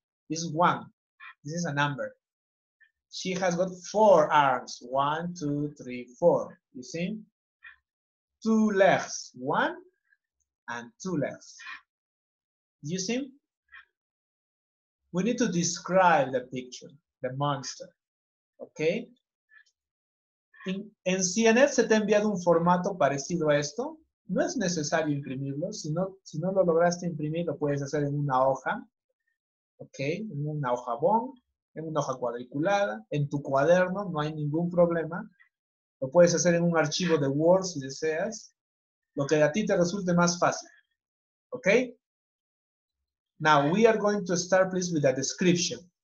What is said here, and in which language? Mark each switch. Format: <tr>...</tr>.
<en>This is one, this is a number. She has got 4 arms, 1, 2, 3, 4, you see? 2 legs, 1 and 2 legs, you see? We need to describe the picture, the monster, okay?</en> <es>En CNN se te ha enviado un formato parecido a esto. No es necesario imprimirlo, si no lo lograste imprimir, lo puedes hacer en una hoja, ¿ok? En una hoja bond, en una hoja cuadriculada, en tu cuaderno, no hay ningún problema. Lo puedes hacer en un archivo de Word si deseas. Lo que a ti te resulte más fácil. ¿Ok?</es> <en>Now, we are going to start, please, with a description.</en>